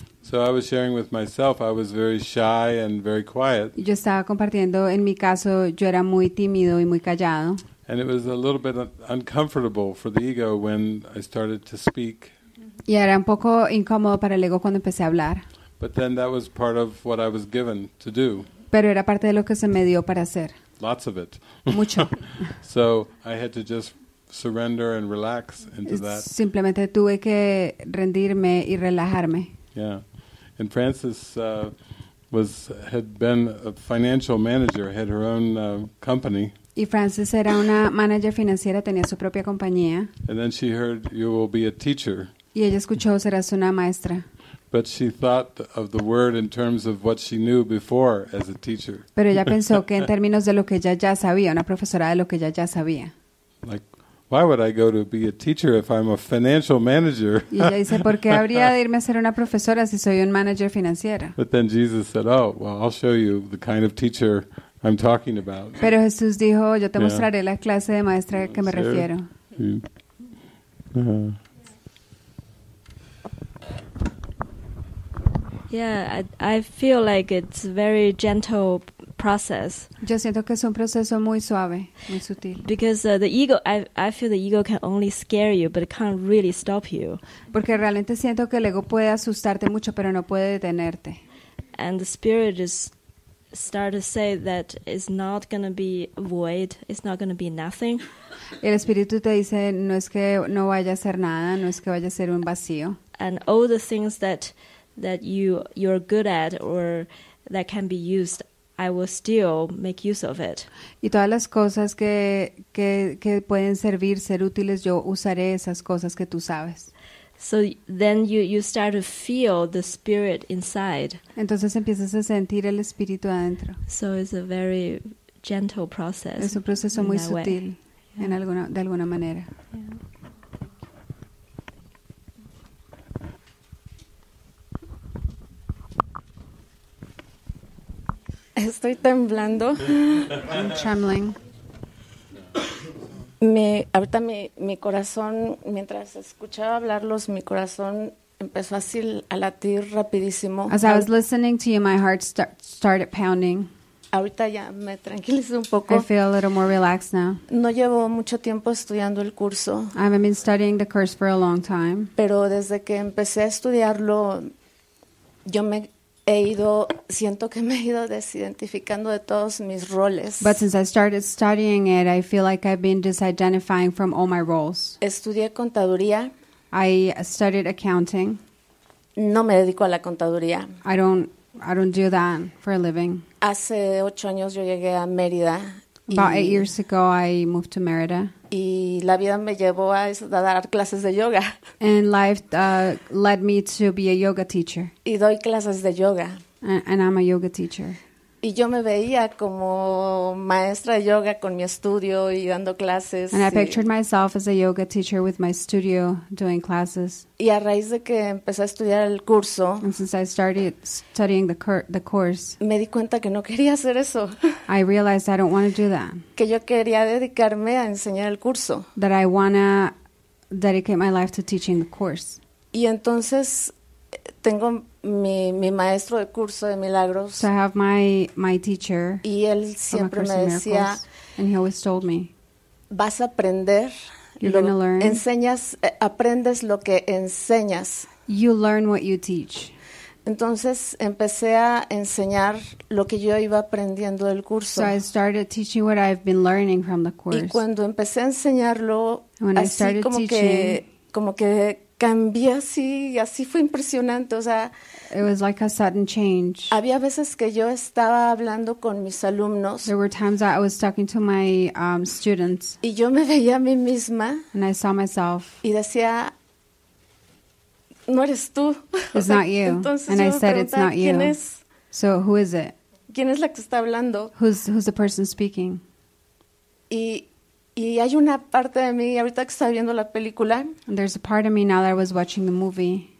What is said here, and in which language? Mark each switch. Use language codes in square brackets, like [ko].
[en] So I was sharing with myself, I was very shy and very quiet. [es] Yo estaba compartiendo, en mi caso, yo era muy tímido y muy callado. [en] And it was a little bit uncomfortable for the ego when I started to speak. [es] Y era un poco incómodo para el ego cuando empecé a hablar. [en] But then that was part of what I was given to do. [es] Pero era parte de lo que se me dio para hacer. [en] Lots of it. [es] Mucho. [en] So I had to just surrender and relax into that. [es] Simplemente tuve que rendirme y relajarme. [en] Yeah. And Frances had been a financial manager, had her own company. [es] Y Frances era una manager financiera, tenía su propia compañía. [en] And then she heard you will be a teacher. [es] Y ella escuchó, serás una maestra. [en] But she thought of the word in terms of what she knew before as a teacher. [es] Pero ella pensó que en términos de lo que ella ya sabía, una profesora de lo que ella ya sabía. [en] Like, why would I go to be a teacher if I'm a financial manager? [es] Y ella dice, ¿por qué habría de irme a ser una profesora si soy un manager financiera? [en] But then Jesus said, oh, well, I'll show you the kind of teacher I'm talking about. [es] Pero Jesús dijo, yo te mostraré la clase de maestra a que me refiero. [en] Yeah, I feel like it's a very gentle process. [es] Yo siento que es un proceso muy suave, muy sutil. [en] Because the ego, I feel the ego can only scare you, but it can't really stop you. [es] Porque realmente siento que el ego puede asustarte mucho, pero no puede detenerte. [en] And the spirit is start to say that it's not going to be void, it's not going to be nothing. [es] El espíritu te dice, no es que no vaya a ser nada, no es que vaya a ser un vacío. [en] And all the things that you're good at or that can be used, I will still make use of it. [es] Y todas las cosas que pueden servir, ser útiles, yo usaré esas cosas que tú sabes. [en] So then you start to feel the spirit inside. [es] Entonces empiezas a sentir el espíritu adentro. [en] So it's a very gentle process. [es] Es un proceso muy sutil, en alguna manera. [en] Yeah. [es] Estoy temblando. [en] I'm trembling. [es] Ahorita mi corazón, mientras escuchaba hablarlos, mi corazón empezó así a latir rapidísimo. [en] As I was listening to you, my heart started pounding. [es] Ahorita ya me tranquilicé un poco. [en] I feel a little more relaxed now. [es] No llevo mucho tiempo estudiando el curso. [en] I haven't been studying the course for a long time. [es] Pero desde que empecé a estudiarlo, yo me he ido, siento que me he ido desidentificando de todos mis roles. [en] But since I started studying it, I feel like I've been disidentifying from all my roles. [es] Estudié contaduría. [en] I studied accounting. [es] No me dedico a la contaduría. [en] I don't do that for a living. [es] Hace 8 años yo llegué a Mérida. [en] About 8 years ago, I moved to Mérida. [es] Y la vida me llevó a dar clases de yoga. [en] And life led me to be a yoga teacher. [es] Y doy clases de yoga. [en] And I'm a yoga teacher. [es] Y yo me veía como maestra de yoga con mi estudio y dando clases. [en] And I pictured myself as a yoga teacher with my studio doing classes. [es] Y a raíz de que empecé a estudiar el curso. [en] And since I started studying the course. [es] Me di cuenta que no quería hacer eso. [en] I realized I don't want to do that. [es] Que yo quería dedicarme a enseñar el curso. [en] That I want to dedicate my life to teaching the course. [es] Y entonces tengo mi maestro de curso de milagros. [en] So I have my teacher. [es] Y él siempre me decía, [en] and he always told me, [es] vas a aprender. [en] You're going to learn. [es] Enseñas, aprendes lo que enseñas. [en] You learn what you teach. [es] Entonces empecé a enseñar lo que yo iba aprendiendo del curso. [en] So I started teaching what I've been learning from the course. [es] Y cuando empecé a enseñarlo, así como que cambié así, y así fue impresionante, o sea. [en] It was like a sudden change. [es] Había veces que yo estaba hablando con mis alumnos. [en] There were times that I was talking to my students. [es] Y yo me veía a mí misma. [en] And I saw myself. [es] Y decía, no eres tú. [en] It's not you. [es] Entonces [en] and [es] yo [en] I said, it's not you. [es] ¿Quién es? [en] So who is it? [es] ¿Quién es la que está hablando? [en] Who's the person speaking? [es] Y hay una parte de mí, ahorita que estaba viendo la película. [en] And there's a part of me now that I was watching the movie.